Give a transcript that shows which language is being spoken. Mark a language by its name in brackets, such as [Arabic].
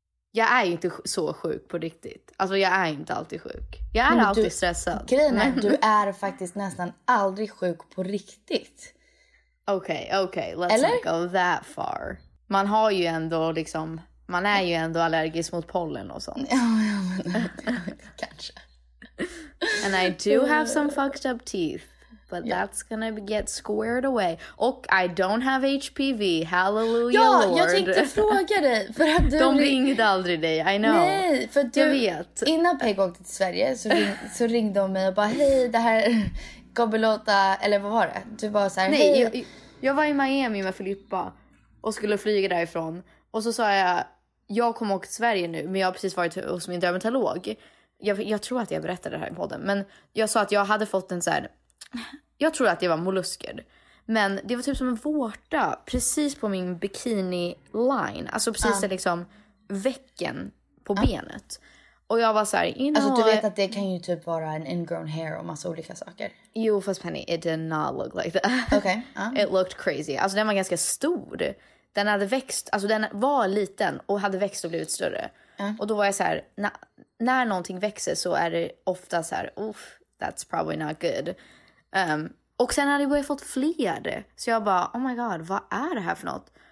[Swedish] Jag är ju inte så sjuk på riktigt. Alltså, jag är inte alltid sjuk. Jag är alltid stressad. Grejen är, du är faktiskt nästan aldrig sjuk på riktigt. Okej. [English] Let's not go that far. [Swedish] Man har ju ändå liksom... Man är ju ändå allergisk mot pollen och sånt. Ja, men... Kanske. [English] And I do have some fucked up teeth. But that's gonna get squared away. Och I don't have HPV. Hallelujah, [Swedish] ja, [English] Lord. [Swedish] Ja, jag tänkte fråga dig. För att du... De ringde aldrig dig, [English] I know. [Swedish] Nej, för du... Jag vet. Innan Peg åkte till Sverige så ringde de mig och bara, hej, det här... Gobbelåta, eller vad var det? Du bara så här, nej, jag var i Miami med Filippa och skulle flyga därifrån. Och så sa jag, jag kommer åka till Sverige nu, men jag har precis varit hos min dermatolog. Jag tror att jag berättade det här i podden, men jag sa att jag hade fått en så här... Jag tror att det var mollusker. Men det var typ som en vårta precis på min bikini line. Alltså precis där liksom väcken på benet. Och jag var så här, alltså du vet att det kan ju typ vara en ingrown hair och massa olika saker. Jo, fast [English] Penny, it did not look like that. Okay. It looked crazy. [Swedish] Alltså den var ganska stor. Den hade växt, alltså den var liten och hade växt och blivit större. Och då var jag så här, när någonting växer så är det ofta så här, uff, [English] that's probably not good. [Swedish] Och sen hade jag fått fler. Så jag bara, [English] oh my god, [Swedish] vad är det här för något?